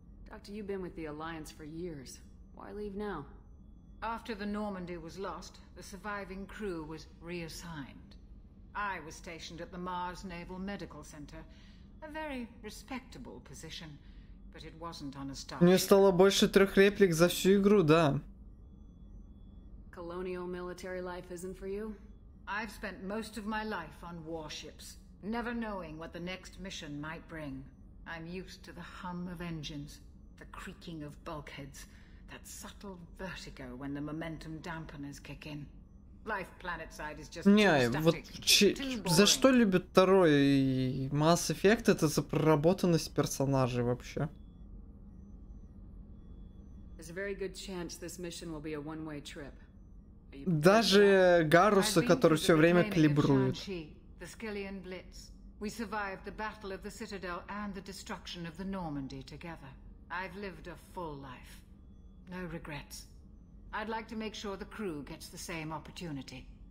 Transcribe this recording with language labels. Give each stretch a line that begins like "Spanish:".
English: Doctor, you've been with the Alliance for years. Why leave now? After the Normandy was lost, the surviving crew was reassigned. I was stationed at the Mars Naval Medical Center, a very respectable position, but it wasn't on a star.
Russian: Мне стало больше трех реплик за всю игру, да.
English: Colonial military life isn't for you? I've spent most of my life on warships, never knowing what the next mission might bring. I'm used to the hum of engines, the creaking of bulkheads, that subtle vertigo when the momentum dampeners kick in. Life planet side is just
Russian: не, вот за что любят второй Mass Effect, это за проработанность персонажей вообще.
English: There's a very good chance this mission will be a one-way trip.
Russian: Даже Гаруса, который все время калибрует.
English: The Skillian Blitz. We survived the battle of the Citadel and the destruction of the Normandy together. I've lived a full life. No regrets. I'd like to make sure the crew gets the same opportunity.